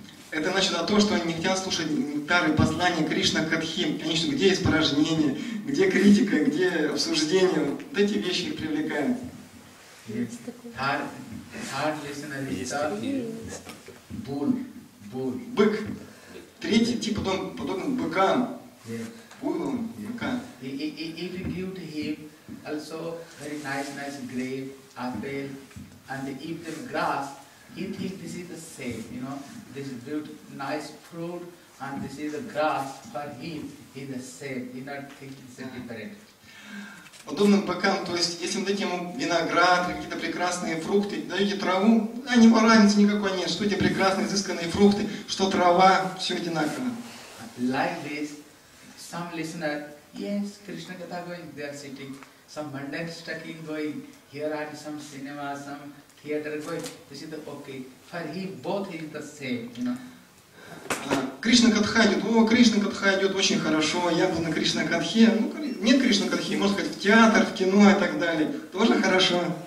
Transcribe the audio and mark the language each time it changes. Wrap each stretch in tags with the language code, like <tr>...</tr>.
<ru>Это значит о том, что они не хотят слушать нектар и послания Кришна Кадхи. Они что, где испражнение, где критика, где обсуждение. Вот эти вещи их привлекают.</ru> <en>Hard listener is bull.</en> <ru>Бык. Третий тип подобный быкам.</ru> <en>If you give to him also very nice grape, apple, and if the grass, he thinks this is the same, you know, this is good, nice fruit, and this is the grass, for him, he is the same, he not think it's different.</en> <ru>Подобным быкам, то есть, если мы дадим ему виноград, какие-то прекрасные фрукты, даете траву, да, не разницы никакой нет, что эти прекрасные, изысканные фрукты, что трава, все одинаково.</ru> <en>Like this. Some listener, yes, Krishna Katha going, they are sitting. Some mundane studying going, here are some cinema, some theater going, this is the okay. For he, both is the same, you know.</en> <ru>Кришна Катха идет, о, Кришна Катха идет очень хорошо, я был на Кришна Катхе. Ну, нет Кришна Катхи, можно сказать, в театр, в кино и так далее, тоже хорошо.</ru>